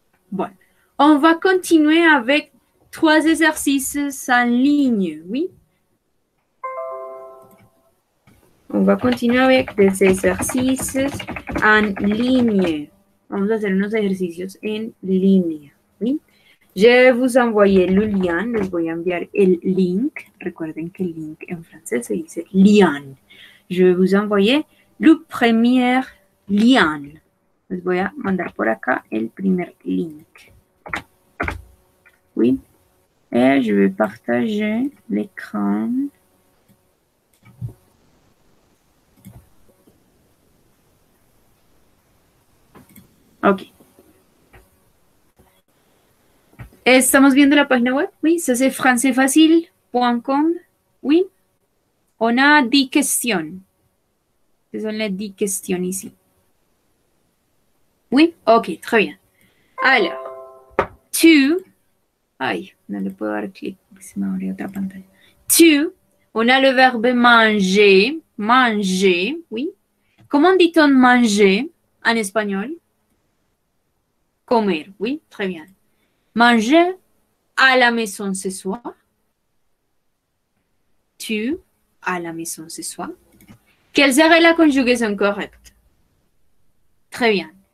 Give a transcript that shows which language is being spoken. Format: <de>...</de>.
<fr>Bon. On va continuer avec trois exercices en ligne, oui? On va continuer avec des exercices en ligne.</fr> <es>Vamos a hacer unos ejercicios en línea, ¿sí?</es> <fr>Je vous envoyé le lien,</fr> <es>les voy a enviar el link. Recuerden que el link en francés se dice lien.</es> <fr>Je vous envoyé le premier lien.</fr> <es>Les voy a mandar por acá el primer link. ¿Sí?</es> <fr>Et je vais partager l'écran. Ok.</fr> <es>¿Estamos viendo la página web?</es> <fr>Oui, ça c'est francaisfacile.com. Oui. On a 10 questions. Ce sont les 10 questions ici. Oui. Ok, très bien. Alors, tu.</fr> <es>Ay, no le puedo dar clic, se me abrió otra pantalla. Tu.</es> <fr>On a le verbe manger. Manger, oui. ¿Comment dit-on manger</fr> <es>en español?</es> <fr>Comer, oui, très bien. Manger à la maison ce soir. Tu à la maison ce soir. Quelle serait la conjugaison correcte? Très bien.</fr>